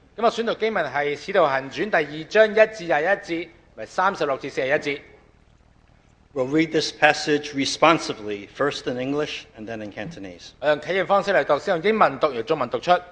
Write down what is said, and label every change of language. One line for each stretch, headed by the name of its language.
Chinese: 今天选读经文是《使徒行传》第2章1至21节，36至41节。
English: We'll read this passage responsively, first in English and then in Cantonese.
Chinese: 用启言方式来读，先用英文读，用中文读出。